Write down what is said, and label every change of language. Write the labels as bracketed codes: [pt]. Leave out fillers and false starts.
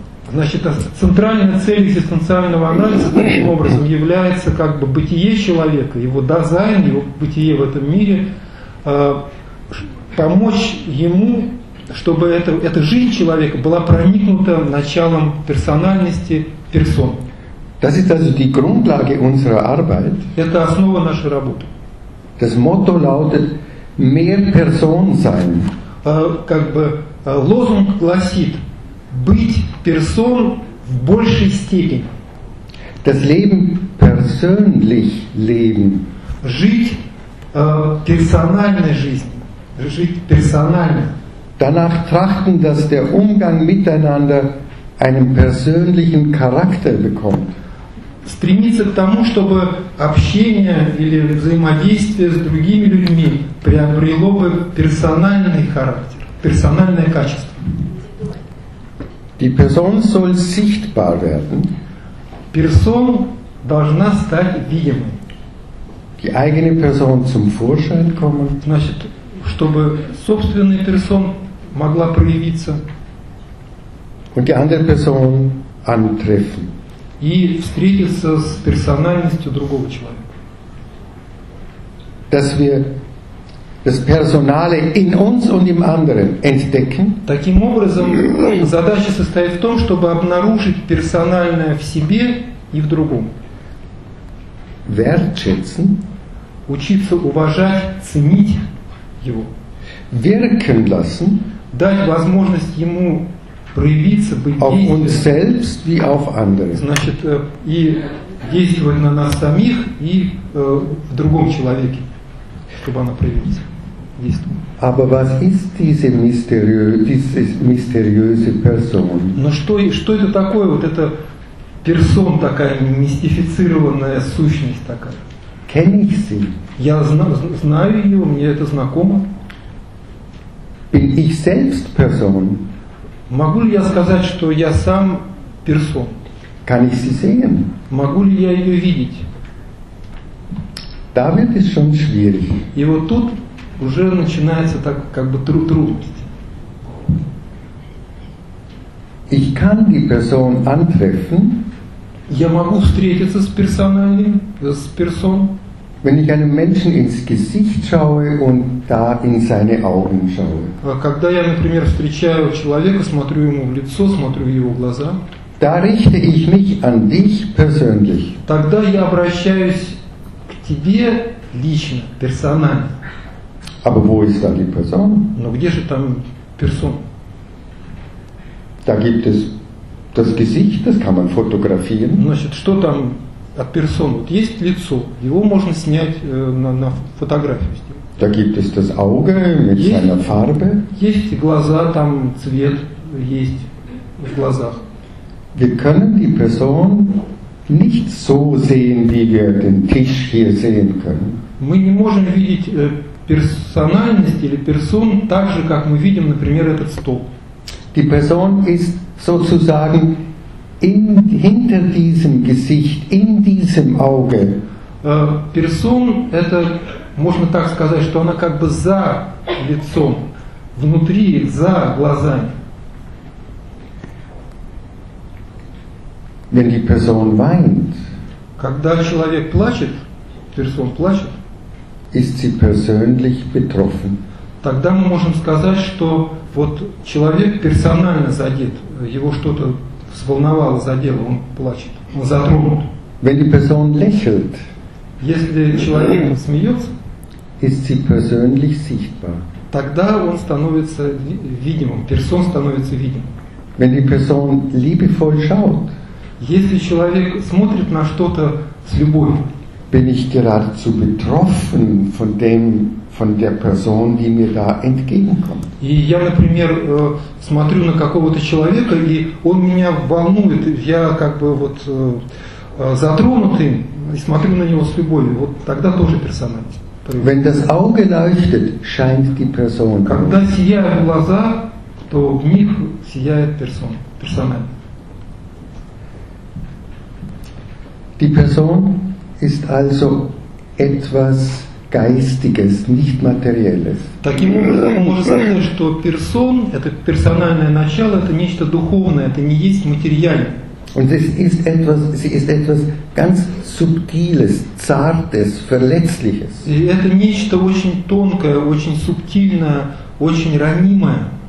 [ru] Значит, центральная цель экзистенциального анализа таким образом является как бы бытие человека, его дазайн, его бытие в этом мире, помочь ему, чтобы эта жизнь человека была проникнута началом персональности, персон. [de] Das ist also die Grundlage unserer Arbeit. [ru] Это основа нашей работы. [de] Das Motto lautet mehr Person sein. [ru] Как бы лозунг гласит быть персон в большей степени. [de] Das Leben persönlich leben. [ru] Жить персональной жизнью. Жить персонально. [de] Danach trachten, dass der Umgang miteinander einen persönlichen Charakter bekommt. [ru] Стремиться к тому, чтобы общение или взаимодействие с другими людьми приобрело бы персональный характер, персональное качество. [de] Die Person soll sichtbar werden. [ru] Person должна стать видимой. [de] Die eigene Person zum Vorschein kommen. [ru] Значит, чтобы собственная персон могла проявиться. [de] Und die andere Person antreffen. [ru] И встретиться с персональностью другого человека. [de] Dass wir das Personale in uns und im anderen entdecken. [ru] Таким образом, задача состоит в том, чтобы обнаружить персональное в себе и в другом. [de] Wertschätzen. [ru] Учиться уважать, ценить его. [de] Wirken lassen. [ru] Дать возможность ему проявиться, быть действием. [de] Auf uns selbst wie auf andere. [ru] Значит, и действовать на нас самих и в другом человеке, чтобы она проявилась. [de] Aber was ist diese mysteriöse Person? [ru] Но что это такое, вот эта персон такая, мистифицированная сущность такая? [de] Kenn ich sie? [ru] Я знаю ее, мне это знакомо. [de] Bin ich selbst Person? [ru] Могу ли я сказать, что я сам персон? [de] Kann ich sie sehen? [ru] Могу ли я ее видеть? [de] Da wird es schon schwierig. [ru] И вот тут уже начинается так, как бы трудности. [de] Ich kann die Person antreffen. [ru] Я могу встретиться с персоналом, с персон. [de] Wenn ich einem Menschen ins Gesicht schaue und da in seine Augen schaue. [ru] Когда я, например, встречаю человека, смотрю ему в лицо, смотрю в его глаза. [de] Da richte ich mich an dich persönlich. [ru] Тогда я обращаюсь к тебе лично, персонально. [de] Aber wo ist dann die Person? [ru] Но где же там персон? [de] Da gibt es das Gesicht, das kann man fotografieren. [ru] Значит, что там от персон? Вот есть лицо, его можно снять на фотографию. [de] Da gibt es das Auge mit seiner Farbe. [ru] Есть глаза, там цвет есть в глазах. [de] Wir können die Person nicht so sehen, wie wir den Tisch hier sehen können. [ru] Мы не можем видеть персональность или персон так же, как мы видим, например, этот стол. [de] Die Person ist sozusagen hinter diesem Gesicht, in diesem Auge. [ru] Персон, это можно так сказать, что она как бы за лицом, внутри, за глазами. [de] Wenn die Person weint, [ru] когда человек плачет, персон плачет, [de] ist sie persönlich betroffen. [ru] Тогда мы можем сказать, что вот человек персонально задет, его что-то взволновало, задело, он плачет, он затронут. [de] Wenn die Person lächelt, [ru] если человек смеется, [de] ist sie persönlich sichtbar. [ru] Тогда он становится видимым, персон становится видимым. [de] Wenn die Person liebevoll schaut, [ru] если человек смотрит на что-то с любовью, [de] bin ich geradezu betroffen von dem, von der Person, die mir da entgegenkommt. [ru] И я, например, смотрю на какого-то человека, и он меня волнует, я как бы вот затронутый, и смотрю на него с любовью. Вот тогда тоже персональность. [de] Wenn das Auge leuchtet, scheint die Person. [ru] Когда сияют глаза, то в них сияет персона. [de] Die Person ist also etwas Geistiges, nicht Materielles. [ru] Таким образом, можно сказать, что персон, это персональное начало, это нечто духовное, это не есть материальное. [de] Und es ist etwas, sie ist etwas ganz Subtiles, Zartes, Verletzliches. [ru] И это нечто очень тонкое, очень субтильное, очень ранимое.